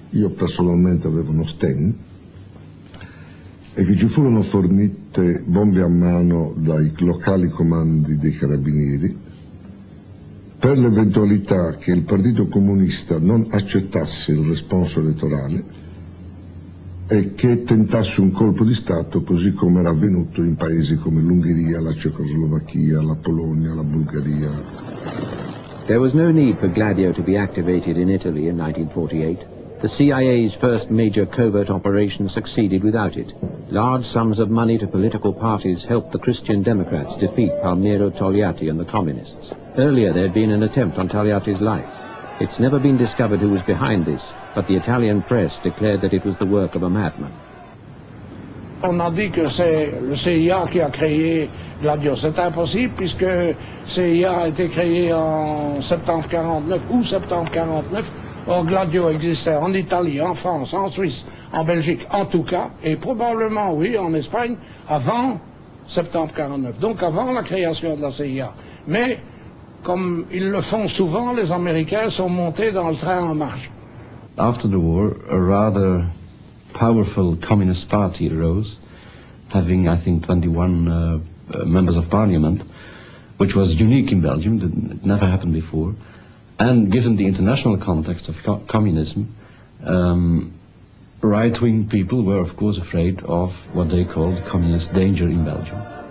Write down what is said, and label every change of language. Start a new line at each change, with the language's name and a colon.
Italian: Io personalmente avevo uno Sten, e che ci furono fornite bombe a mano dai locali comandi dei carabinieri per l'eventualità che il Partito Comunista non accettasse il responso elettorale e che tentasse un colpo di Stato, così come era avvenuto in paesi come l'Ungheria, la Cecoslovacchia, la Polonia, la Bulgaria.
English: There was no need for Gladio to be activated in Italy in 1948. The CIA's first major covert operation succeeded without it. Large sums of money to political parties helped the Christian Democrats defeat Palmiro Togliatti and the communists. Earlier there had been an attempt on Togliatti's life. It's never been discovered who was behind this, but the Italian press declared that it was the work of a madman.
French: On a dit que c'est le CIA qui a créé Gladio. C'est impossible puisque CIA a été créé en septembre 49 ou septembre 49. Or Gladio existait en Italie, en France, en Suisse, en Belgique, en tout cas, et probablement, oui, en Espagne, avant septembre 49, donc avant la création de la CIA. Mais, comme ils le font souvent, les Américains sont montés dans le train en marche.
English: After the war, a rather powerful communist party arose, having, I think, 21 members of parliament, which was unique in Belgium, it never happened before. And given the international context of communism, right-wing people were of course afraid of what they called communist danger in Belgium.